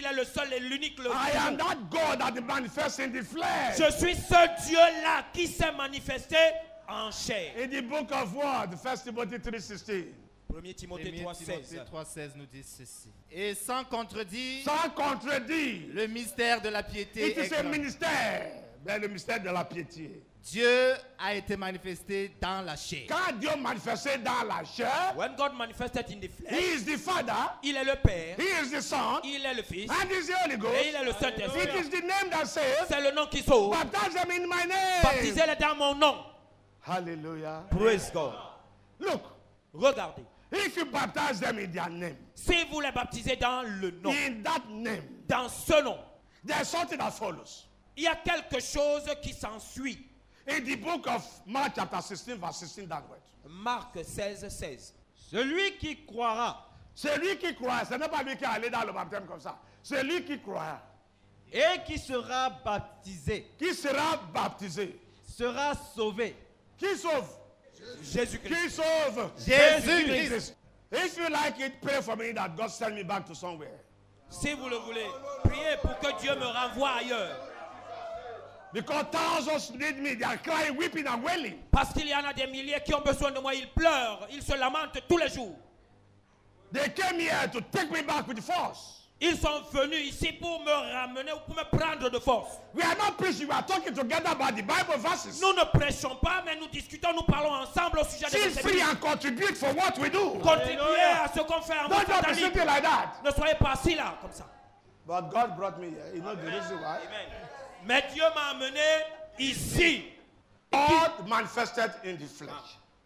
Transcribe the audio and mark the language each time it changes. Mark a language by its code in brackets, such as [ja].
[fr] Il est le seul et l'unique. Le [en] I am that God that manifests in the flesh. [fr] Je suis ce Dieu-là qui s'est manifesté en chair. [en] In the book of what? 1 Timothée 3:16. [fr] 1 Timothée 3:16 nous dit ceci. Et sans contredit. Sans contredit. Le mystère de la piété. [en] It is a [fr] ministère. Mais le mystère de la piété. Dieu a été manifesté dans la chair. Quand Dieu manifesté dans la chair. [en] When God manifested in the flesh. He is the Father. [fr] Il est le Père. [en] He is the Son. [fr] Il est le Fils. [en] And he is the Holy Ghost. [fr] Et il est le Saint-Esprit. [en] It is the name that saves. [fr] C'est le nom qui sauve. [en] Baptize them in my name. [fr] Baptisez-les dans mon nom. [en] Hallelujah. Praise God. Look. [fr] Regardez. [en] If you baptize them in their name. [fr] Si vous les baptisez dans le nom. [en] In that name. [fr] Dans ce nom. [en] There's something that follows. [fr] Il y a quelque chose qui s'ensuit. [en] In the book of Mark chapter 16 verse 16 downward. Mark 16:16. [fr] Celui qui croira. Celui qui croit, ce n'est pas lui qui est allé dans le baptême comme ça. Celui qui croit. Et qui sera baptisé. Qui sera baptisé. Sera sauvé. Qui sauve? Jésus-Christ. Qui sauve? Jésus-Christ. [en] If you like it, pray for me that God send me back to somewhere. [fr] Si vous le voulez, priez pour que Dieu me renvoie ailleurs. [en] Because thousands need me, they are crying, weeping and wailing. [fr] Parce qu'il y en a des milliers qui ont besoin de moi, ils pleurent, ils se lamentent tous les jours. [en] They came here to take me back with force. [fr] Ils sont venus ici pour me ramener ou pour me prendre de force. [en] We are not preaching, we are talking together about the Bible verses. [fr] Nous ne prêchons pas, mais nous discutons, nous parlons ensemble au sujet de ces versets. [en] And contribute for what we do. [fr] Contribuez à ce qu'on fait en vous. [en] Don't be sitting like that. [fr] Ne soyez pas assis là comme ça. [en] But God brought me here. You know the reason why? [fr] Amen. Mais Dieu m'a amené ici. [en] God manifested in the flesh.